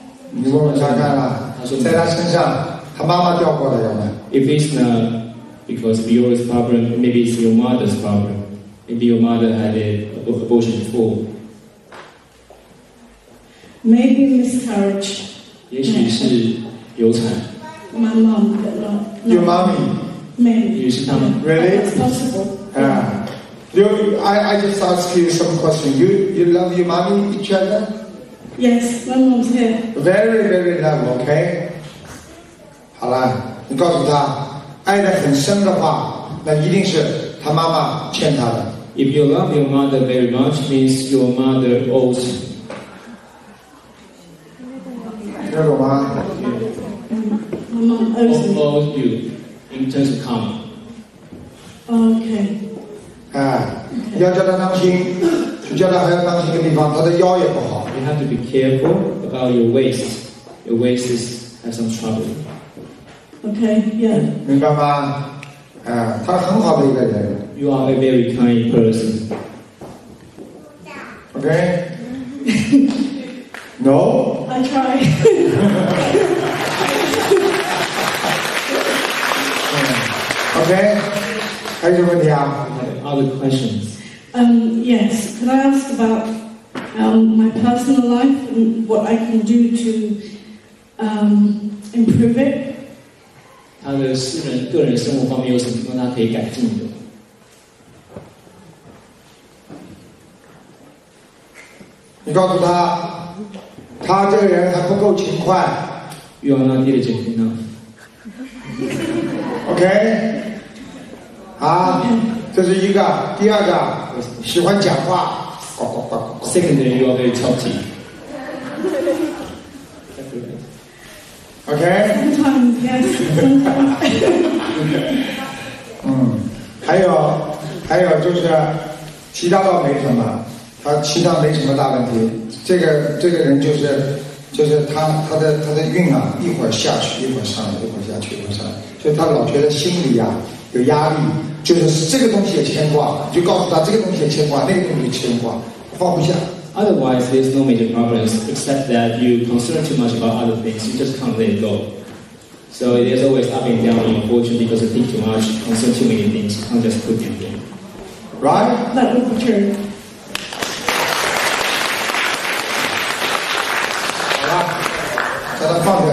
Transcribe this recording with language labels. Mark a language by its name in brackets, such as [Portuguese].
[Chinese] 你问问看看啦，在他身上。他妈妈掉过来了吗 [English] ？If it's not because of your problem, maybe it's your mother's problem. Maybe your mother had an abortion before. Maybe miscarriage. [Chinese] 也许是流产。 [English] My mom did not. Your mommy. Maybe. [Chinese] 也许是他们。 [English] Really? It's possible. Yeah. I just ask you some question. You love your mommy each other? Yes, my mom's here. Very, very love. Okay. [Chinese] 好了，你告诉他，爱得很深的话，那一定是他妈妈欠他的。 [English] If you love your mother very much, means your mother owes you. [Chinese] 听得懂吗？ [English] Mom owes you in terms of karma. Okay. [Chinese] 啊，你要叫他当心，你叫他还要当心一个地方，他的腰也不好。 [English] You have to be careful about your waist. Your waist is has some trouble. Okay, yeah. [Chinese] 明白吗？啊，他是很好的一个人。 [English] You are a very kind person. Okay. No. I try. [Chinese] 嗯 ，Okay. 还有什么问题啊 [English] ？Other questions. Yes. Can I ask about my personal life and what I can do to improve it? [Chinese] 他的私人个人生活方面有什么地方他可以改进的？你告诉他，他这个人还不够勤快。 [English] You are not diligent enough. [Chinese] OK. 啊，这是一个。第二个，喜欢讲话。 [English] Secondly, you are very talky. OK. Sometimes, yes. [Chinese] 嗯，还有就是，其他倒没什么，他其他没什么大问题。这个人就是他的运啊，一会儿下去，一会儿上来，一会儿下去，一会儿上来，所以他老觉得心里啊有压力，就是这个东西也牵挂，就告诉他这个东西也牵挂，那个东西牵挂，放不下。 [English] Otherwise, there's no major problems except that you concern too much about other things. You just can't let it go. So there's always up and down in fortune because you think too much, concern too many things. You can't just put them in. Right? That would be true. Right.